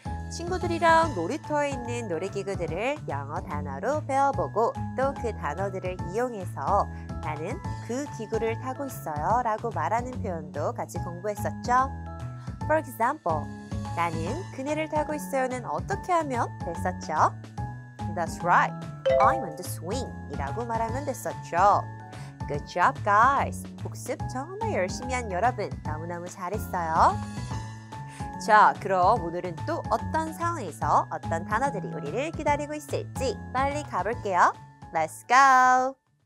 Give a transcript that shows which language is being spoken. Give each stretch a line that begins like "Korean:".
Korean: 친구들이랑 놀이터에 있는 놀이기구들을 영어 단어로 배워보고 또 그 단어들을 이용해서 나는 그 기구를 타고 있어요 라고 말하는 표현도 같이 공부했었죠. For example, 나는 그네를 타고 있어요는 어떻게 하면 됐었죠?
English: That's right. I'm on the swing 이라고 말하면 됐었죠. Good job, guys.
Korean: 복습 정말 열심히 한 여러분 너무너무 잘했어요. 자, 그럼 오늘은 또 어떤 상황에서 어떤 단어들이 우리를 기다리고 있을지 빨리 가볼게요.
English: Let's go!